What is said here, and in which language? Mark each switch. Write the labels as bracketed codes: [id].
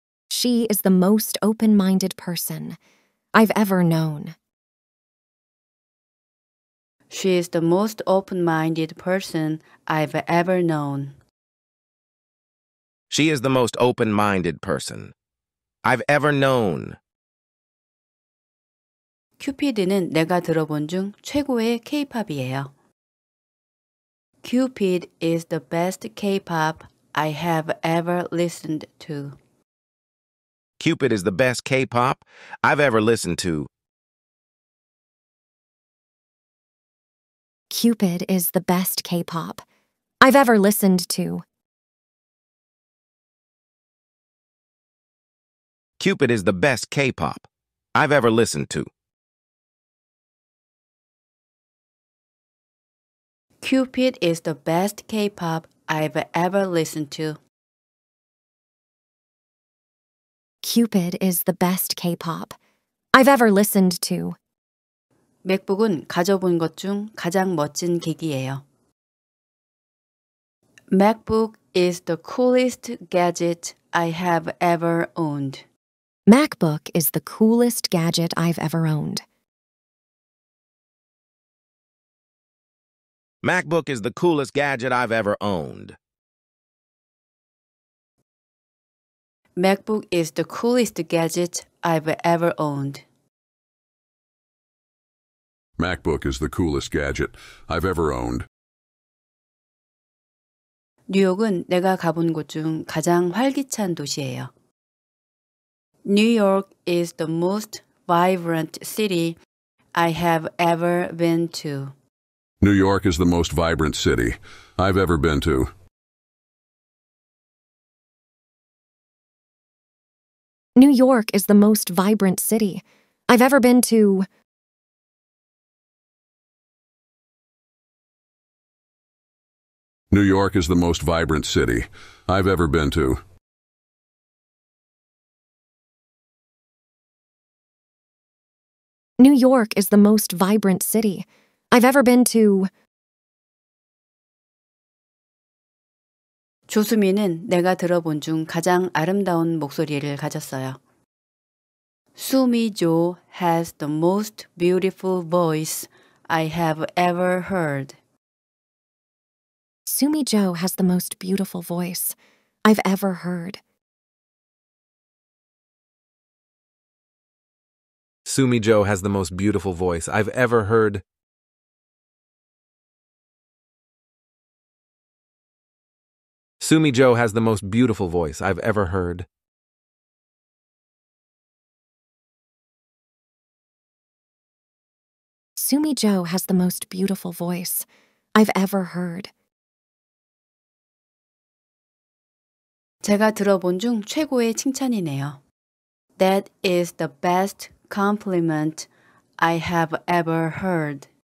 [en] She is the most open-minded person I've ever known. She is the most open-minded person I've ever known. She is the most open-minded person I've ever known. [ko] 큐피드는 내가 들어본 중 최고의 K-pop이에요. [en] Cupid is the best K-pop I have ever listened to. Cupid is the best K-pop I've ever listened to. Cupid is the best K-pop I've ever listened to. Cupid is the best K-pop I've ever listened to. Cupid is the best K-pop I've ever listened to. Cupid is the best K-pop I've ever listened to. [ko] 맥북은 가져본 것 중 가장 멋진 기기예요. [en] MacBook is the coolest gadget I have ever owned. MacBook is the coolest gadget I've ever owned. MacBook is the coolest gadget I've ever owned. MacBook is the coolest gadget I've ever owned. MacBook is the coolest gadget I've ever owned. [ko] 뉴욕은 내가 가본 곳 중 가장 활기찬 도시예요. [en] New York is the most vibrant city I have ever been to. New York is the most vibrant city I've ever been to. New York is the most vibrant city I've ever been to. New York is the most vibrant city I've ever been to. New York is the most vibrant city I've ever been to. [ko] 조수미는 내가 들어본 중 가장 아름다운 목소리를 가졌어요. [en] Sumi Jo has the most beautiful voice I have ever heard. Sumi Jo has the most beautiful voice I've ever heard. Sumi Jo has the most beautiful voice I've ever heard. Sumi Jo has the most beautiful voice I've ever heard. Sumi Jo has the most beautiful voice I've ever heard. [ko] 제가 들어본 중 최고의 칭찬이네요. [en] That is the best compliment I have ever heard.